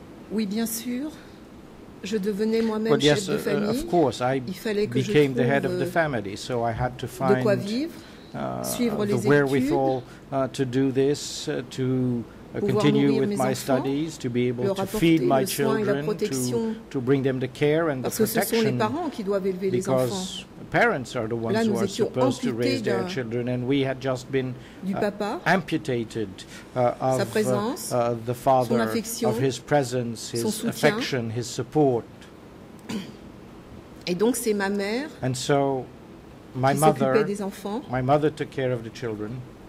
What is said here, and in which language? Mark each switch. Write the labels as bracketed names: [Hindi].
[French] Oui, bien sûr. Je devenais moi-même chef de famille. [English] Of course, I became the head of the family, so I had to find [French] de quoi vivre, suivre les études, wherewithal [English] to do this, to continue with my studies, to be able to feed my children, to bring them the care and the protection. [French] Parce que ce sont les parents qui doivent élever les enfants. [English] Parents are the ones who are supposed to raise their children, and we had just been amputated of the father, of his presence, his affection, his support. [French] Et donc c'est ma mère [English] and so my mother, took care of the children